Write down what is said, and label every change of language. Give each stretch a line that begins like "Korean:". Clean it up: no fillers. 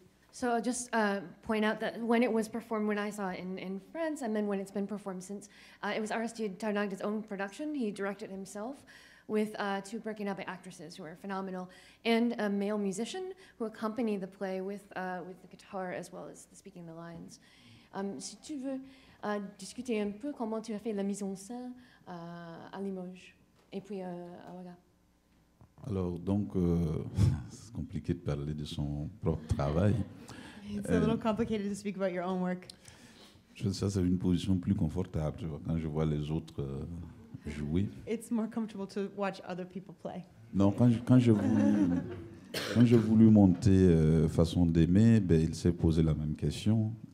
English: So I'll just point out that when it was performed, when I saw it in France, and then when it's been performed since, it was Aristide Tarnagda's own production. He directed himself with two Burkina Faso actresses who are phenomenal, and a male musician who accompanied the play with the guitar as well as the speaking the lines.
French: Si tu veux discuter un peu comment tu as fait la mise en scène à Limoges, et puis à Ouaga. Alors donc, c'est compliqué de parler de son propre travail.
English: It's a little complicated to speak about your own work.
French: Je sais, c'est une position plus confortable, tu vois, quand je vois les autres jouer.
English: It's more comfortable to watch other people play.
French: Non, quand j'ai voulu monter Façon d'aimer, ben, il s'est posé la même question.